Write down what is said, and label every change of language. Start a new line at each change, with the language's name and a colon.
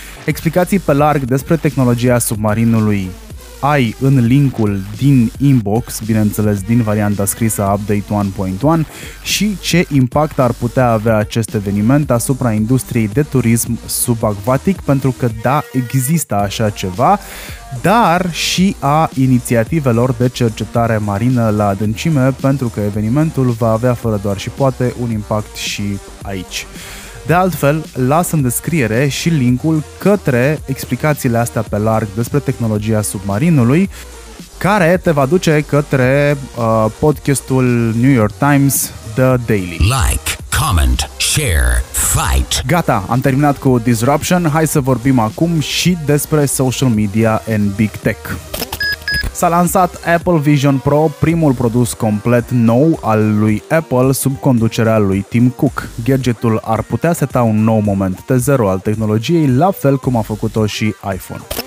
Romanian: Explicații pe larg despre tehnologia submarinului ai în linkul din inbox, bineînțeles din varianta scrisă Update 1.1, și ce impact ar putea avea acest eveniment asupra industriei de turism subacvatic, pentru că da, există așa ceva, dar și a inițiativelor de cercetare marină la adâncime, pentru că evenimentul va avea fără doar și poate un impact și aici. De altfel, las în descriere și linkul către explicațiile astea pe larg despre tehnologia submarinului, care te va duce către podcastul New York Times, The Daily.
English: Like, comment, share, fight.
Romanian: Gata, am terminat cu Disruption, hai să vorbim acum și despre
English: social media and big tech.
Romanian: S-a lansat Apple Vision Pro, primul produs complet nou al lui Apple sub conducerea lui Tim Cook. Gadgetul ar putea seta un nou moment T0 al tehnologiei, la fel cum a făcut-o și iPhone.